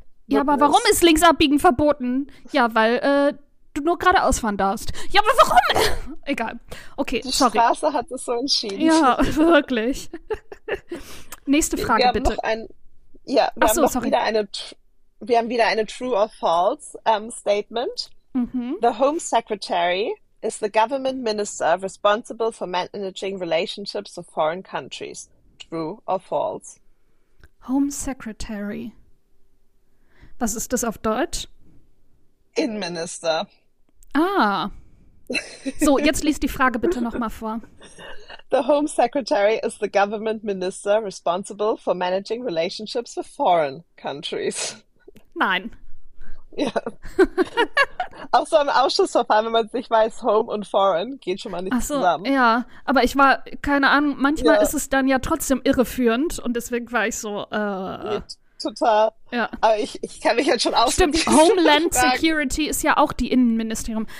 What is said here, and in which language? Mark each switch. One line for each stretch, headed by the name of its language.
German: Ja, aber warum ist links abbiegen verboten? Ja, weil du nur geradeaus fahren darfst. Ja, aber warum? Egal. Okay, sorry. Die Straße hat es so entschieden. Ja, wirklich. Nächste Frage, wir haben bitte. Wir haben wieder eine True or False Statement. Mhm.
English: The Home Secretary is the government minister responsible for managing relationships with foreign countries. True or False?
German: Home Secretary. Was ist das auf Deutsch? Innenminister. Ah. So, jetzt liest die Frage bitte nochmal vor.
English: The Home Secretary is the government minister responsible for managing relationships with foreign countries.
German: Nein. Ja. Auch so im Ausschussverfahren, wenn man sich weiß, Home und Foreign, geht schon mal nicht zusammen. Ja, aber ich war, keine Ahnung, manchmal ist es dann ja trotzdem irreführend und deswegen war ich so, Total. Ja. Aber ich kann mich jetzt schon aus. Stimmt, Homeland Security ist ja auch die Innenministerium.